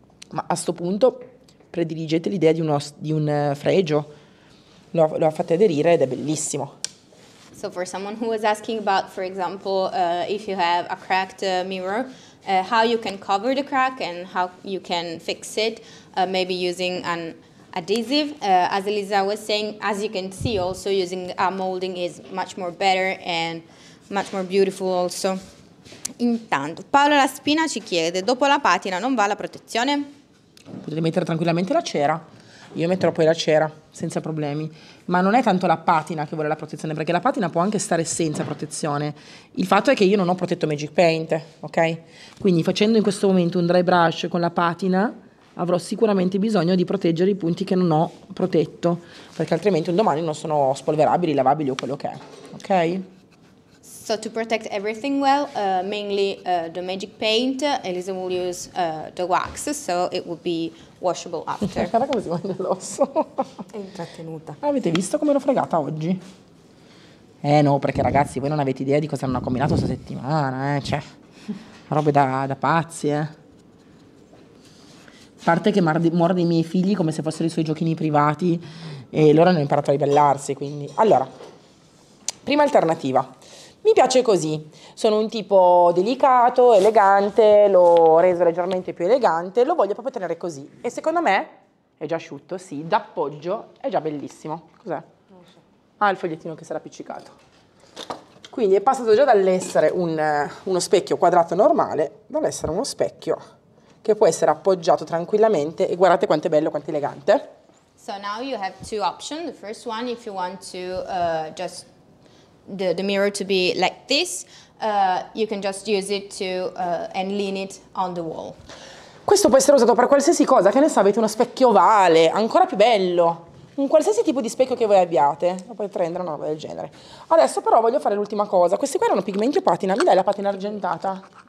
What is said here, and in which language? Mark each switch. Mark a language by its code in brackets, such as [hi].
[it] Ma a sto punto prediligete l'idea di un fregio. Lo fate aderire ed è bellissimo. [en] So for someone who was asking about, for example, if you have a cracked mirror, how you can cover the crack and how you can fix it, maybe using an adhesive. As Elisa was saying, as you can see, also using a molding is much more better and much more beautiful also. [it] Intanto, Paola La Spina ci chiede, dopo la patina non va la protezione? Potete mettere tranquillamente la cera. Io metterò poi la cera, senza problemi. Ma non è tanto la patina che vuole la protezione, perché la patina può anche stare senza protezione. Il fatto è che io non ho protetto Magic Paint, ok? Quindi facendo in questo momento un dry brush con la patina, avrò sicuramente bisogno di proteggere i punti che non ho protetto, perché altrimenti un domani non sono spolverabili, lavabili o quello che è, ok? [en] So to protect everything well, mainly the Magic Paint, Elisa will use the wax, so it will be washable after. [it] Guarda come si muove l'osso. È intrattenuta. Avete visto come l'ho fregata oggi? No, perché ragazzi, voi non avete idea di cosa hanno combinato questa settimana, cioè, robe da pazzi, A parte che morde i miei figli come se fossero i suoi giochini privati e loro hanno imparato a ribellarsi, quindi... Allora, prima alternativa. Mi piace così, sono un tipo delicato, elegante, l'ho reso leggermente più elegante, lo voglio proprio tenere così. E secondo me, è già asciutto, sì, d'appoggio è già bellissimo. Cos'è? Non so. Ah, il fogliettino che sarà appiccicato. Quindi è passato già dall'essere uno specchio quadrato normale, dall'essere uno specchio che può essere appoggiato tranquillamente e guardate quanto è bello, quanto è elegante. [en] So now you have two options, the first one if you want to just... The mirror to be like this, you can just use it to and lean it on the wall. [it] Questo può essere usato per qualsiasi cosa, che ne so, avete uno specchio ovale, ancora più bello, un qualsiasi tipo di specchio che voi abbiate, lo potete rendere una roba del genere. Adesso però voglio fare l'ultima cosa, questi qua erano pigmenti o patina, mi dai la patina argentata?